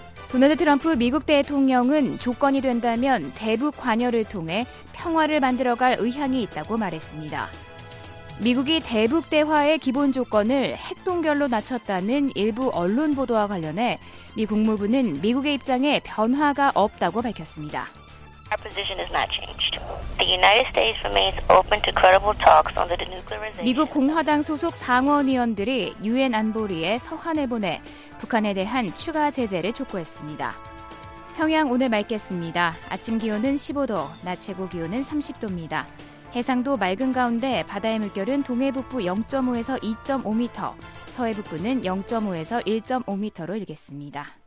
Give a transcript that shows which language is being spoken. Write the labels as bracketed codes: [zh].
[ko] 도널드 트럼프 미국 대통령은 조건이 된다면 대북 관여를 통해 평화를 만들어갈 의향이 있다고 말했습니다. 미국이 대북 대화의 기본 조건을 핵동결로 낮췄다는 일부 언론 보도와 관련해 미 국무부는 미국의 입장에 변화가 없다고 밝혔습니다. [en] Our position has not changed. The United States remains open to credible talks on the denuclearization. [ko] 미국 공화당 소속 상원의원들이 유엔 안보리에 서한을 보내 북한에 대한 추가 제재를 촉구했습니다. 평양 오늘 맑겠습니다. 아침 기온은 15도, 낮 최고 기온은 30도입니다. 해상도 맑은 가운데 바다의 물결은 동해 북부 0.5에서 2.5m, 서해 북부는 0.5에서 1.5m로 일겠습니다.